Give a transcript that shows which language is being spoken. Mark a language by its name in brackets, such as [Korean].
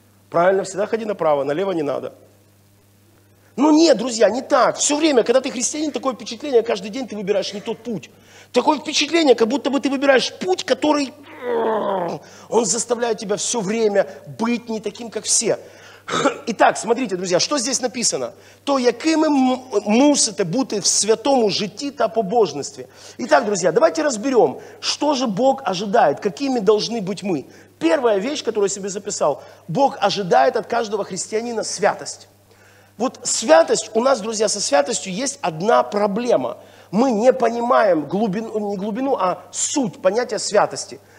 [Russian] Правильно, всегда ходи направо, налево не надо. Ну нет, друзья, не так. Все время, когда ты христианин, такое впечатление, каждый день ты выбираешь не тот путь. Такое впечатление, как будто бы ты выбираешь путь, который... Он заставляет тебя все время быть не таким, как все. Итак, смотрите, друзья, что здесь написано? [Ukrainian] То, якими мусите бути в святому житті та побожності. [Russian] Итак, друзья, давайте разберем, что же Бог ожидает, какими должны быть мы. Первая вещь, которую я себе записал, Бог ожидает от каждого христианина святость. Вот святость, у нас, друзья, со святостью есть одна проблема. Мы не понимаем глубину, не глубину, а суть понятия святости.